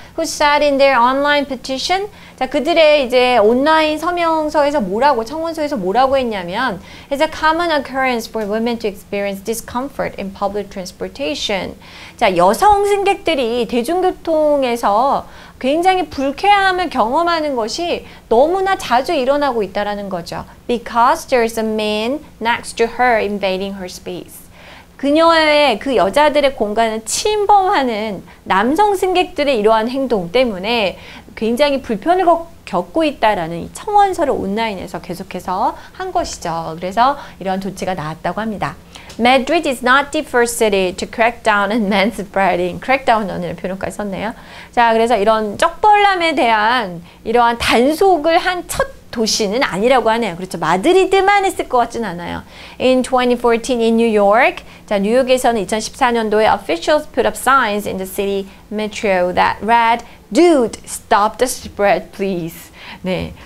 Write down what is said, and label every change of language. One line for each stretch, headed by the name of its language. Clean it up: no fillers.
English: Who said in their online petition?
Korean: 자, 그들의 이제 온라인 서명서에서 뭐라고, 청원서에서 뭐라고 했냐면
English: It's a common occurrence for women to experience discomfort in public transportation.
Korean: 자, 여성 승객들이 대중교통에서 굉장히 불쾌함을 경험하는 것이 너무나 자주 일어나고 있다라는 거죠.
English: Because there's a man next to her invading her space.
Korean: 그녀의 그 여자들의 공간을 침범하는 남성 승객들의 이러한 행동 때문에 굉장히 불편을 겪고 있다라는 이 청원서를 온라인에서 계속해서 한 것이죠. 그래서 이러한 조치가 나왔다고 합니다.
English: Madrid is not the first city to crack down on manspreading. Crack down
Korean: 은 이런 표현까지 썼네요. 자, 그래서 이런 쩍벌남에 대한 이러한 단속을 한 첫 도시는 아니라고 하네요. 그렇죠. 마드리드만 했을 것 같진 않아요.
English: In 2014 in New York,
Korean: 자, 뉴욕에서는 2014년도에
English: officials put up signs in the city metro that read, Dude, stop the spread, please.
Korean: 네.